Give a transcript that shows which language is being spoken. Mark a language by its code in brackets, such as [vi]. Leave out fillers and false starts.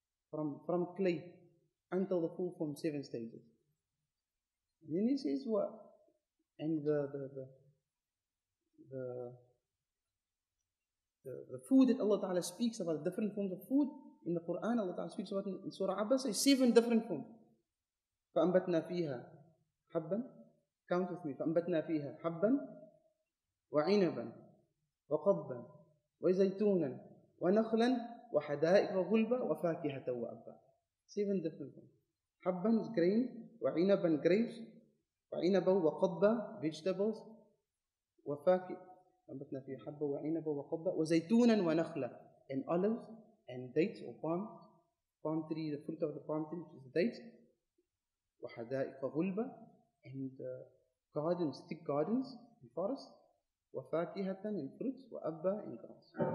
[en] From clay until the full form, seven stages. And then he says what? And the food that Allah ta'ala speaks about, different forms of food in the Quran, Allah ta'ala speaks about in Surah Abbas, is seven different forms. [ar] فأنبتنا فيها حبا [en] count with me [ar] فأنبتنا فيها حبا وعنبا وقضبا وزيتونا ونخلا وحدائق غلبا وفاكهة وأبا [en] seven different things. [ar] حبا [en] is grain [ar] وعنبا [en] grapes [ar] وعنبا وقضبا [en] vegetables [ar] وفاكهة فأنبتنا فيها حبا وعنبا وقضبا وزيتونا ونخلا [en] and olives and dates or palm tree, the fruit of the palm tree, which is the dates, [ar] وحدائق غلبة [en] and gardens, thick gardens and forests, [ar] وفاكهة [en] and fruits, [ar] وأبا [en] and grass.